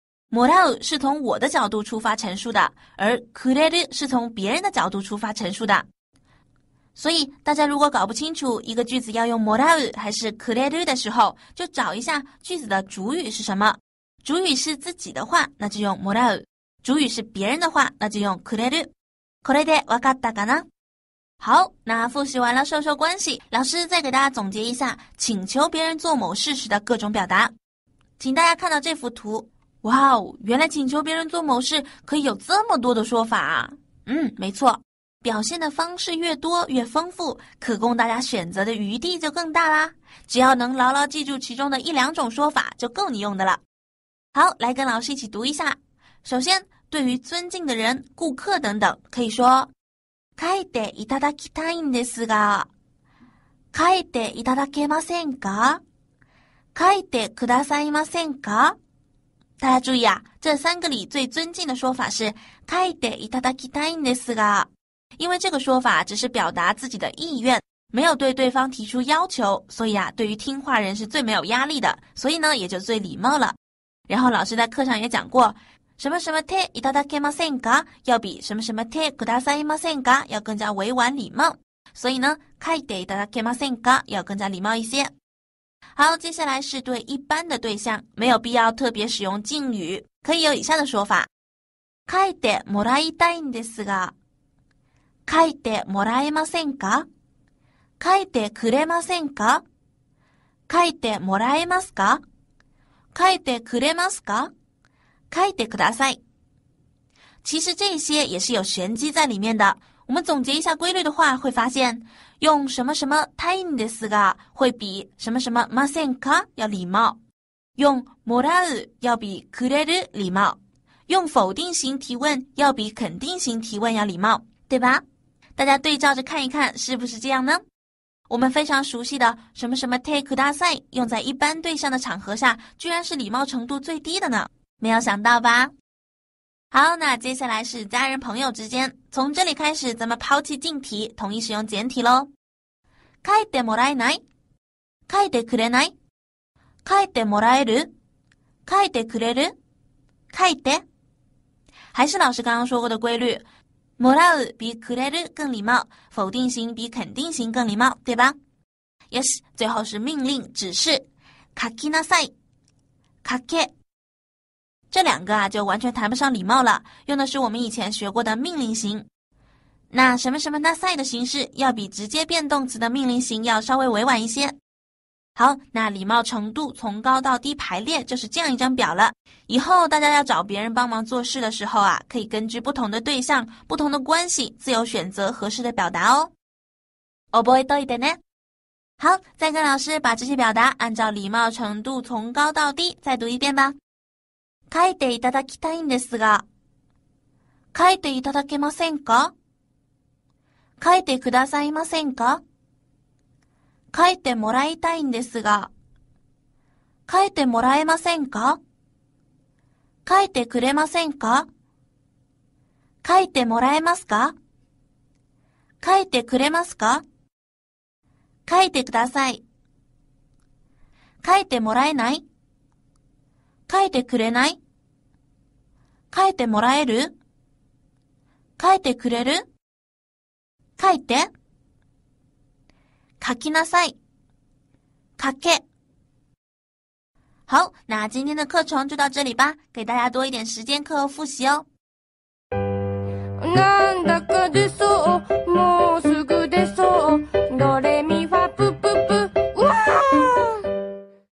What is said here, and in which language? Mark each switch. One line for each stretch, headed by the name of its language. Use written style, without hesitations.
Chinese: もらう是从我的角度出发陈述的，而くれる是从别人的角度出发陈述的。所以大家如果搞不清楚一个句子要用もらう还是くれる的时候，就找一下句子的主语是什么。主语是自己的话，那就用もらう。主语是别人的话，那就用くれる。
Japanese: これでわかったかな？
Chinese: 好，那复习完了授受关系，老师再给大家总结一下请求别人做某事时的各种表达。请大家看到这幅图，哇哦，原来请求别人做某事可以有这么多的说法啊！嗯，没错，表现的方式越多越丰富，可供大家选择的余地就更大啦。只要能牢牢记住其中的一两种说法，就够你用的了。好，来跟老师一起读一下。首先，对于尊敬的人、顾客等等，可以说
Japanese: 書いていただきたいんですが、書いていただけませんか？書いてくださいませんか？
Chinese: 大家注意啊，这三个里最尊敬的说法是
Japanese: 書いていただきたいんですが，
Chinese: 因为这个说法只是表达自己的意愿，没有对对方提出要求，所以啊，对于听话人是最没有压力的，所以呢，也就最礼貌了。然后老师在课上也讲过，什么什么ていただけませんか要比什么什么てくださいませんか要更加委婉礼貌，所以呢書いていただけませんか要更加礼貌一些。好，接下来是对一般的对象，没有必要特别使用敬语，可以有以下的说法。
Japanese: 書いてもらいたいんですが、書いてもらえませんか、書いてくれませんか、書いてもらえますか、書いてくれますか？書いてください。
Chinese: 其实这些也是有玄机在里面的。我们总结一下规律的话，会发现用什么什么たいんですが会比什么什么ませんか要礼貌，用もらう要比くれる礼貌，用否定型提问要比肯定型提问要礼貌，对吧？大家对照着看一看，是不是这样呢？我们非常熟悉的什么什么 take 大赛，用在一般对象的场合下，居然是礼貌程度最低的呢，没有想到吧？好，那接下来是家人朋友之间，从这里开始，咱们抛弃敬体，统一使用简体喽。
Japanese: 書いてもらえない、書いてくれない、書いてもらえる、書いてくれる、書いて。
Chinese: 还是老师刚刚说过的规律。もらう比くれる更礼貌，否定型比肯定型更礼貌，对吧？
Japanese: よし、最後
Chinese: 是命令、指示。
Japanese: 書きなさい。書け。
Chinese: 这两个啊就完全谈不上礼貌了，用的是我们以前学过的命令型。那什么什么なさい的形式要比直接变动词的命令型要稍微委婉一些。好，那礼貌程度从高到低排列就是这样一张表了。以后大家要找别人帮忙做事的时候啊，可以根据不同的对象、不同的关系自由选择合适的表达哦。
Japanese: 覚えといてね。
Chinese: 好，再跟老师把这些表达按照礼貌程度从高到低再读一遍吧。
Japanese: 書いていただきたいんですが、書いていただけませんか？書いてくださいませんか？書いてもらいたいんですが、書いてもらえませんか？書いてくれませんか？書いてもらえますか？書いてくれますか？書いてください。書いてもらえない？書いてくれない？書いてもらえる？書いてくれる？書いて？書きなさい。書け。
Chinese: 好，那今天的课程就到这里吧，给大家多一点时间课后复习哦。
Japanese: なんだか出そう、もうすぐ出そう、ドレミファプププ、うわぁ！